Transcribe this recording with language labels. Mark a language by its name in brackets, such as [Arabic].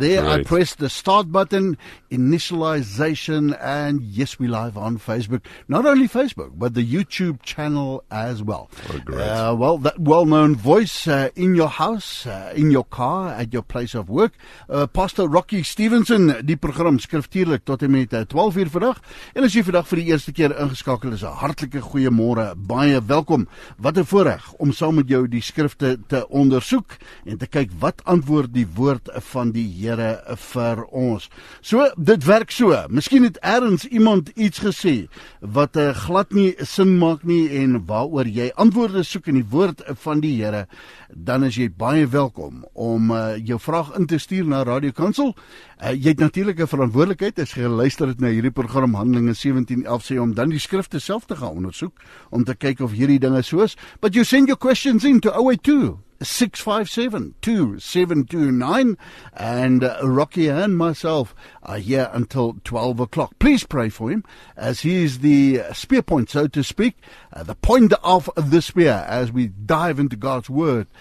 [English] There, right. I pressed the start button, initialization, and yes, we live on Facebook. Not only Facebook, but the YouTube channel as well. Oh, great. Well, that well-known voice. In your house, in your car, at your place of work. [Afrikaans] Pastor Rocky Stevenson, die program skriftuurlik tot en met 12 uur vandag. En as jy vandag vir die eerste keer ingeskakel is, 'n hartlike goeiemôre, baie welkom. Wat 'n voorreg om saam met jou die skrifte te ondersoek en te kyk wat antwoord die woord van die Here vir ons. So, dit werk so. Miskien het ergens iemand iets gesê wat glad nie sin maak nie en waaroor jy antwoorde soek in die woord van die Here. Dan is jy baie welkom om jou vraag in te stuur na Radio Kansel. Jy het natuurlik 'n verantwoordelikheid as jy luister het na hierdie program Handelinge 17:11 sê om dan die skrifte self te gaan ondersoek om te kyk of hierdie dinge so is. [English] But you send your questions in to 082-657-2729 and Rocky and myself are here until 12 o'clock. Please pray for him as he is the spear point, so to speak, the point of the spear as we dive into God's word.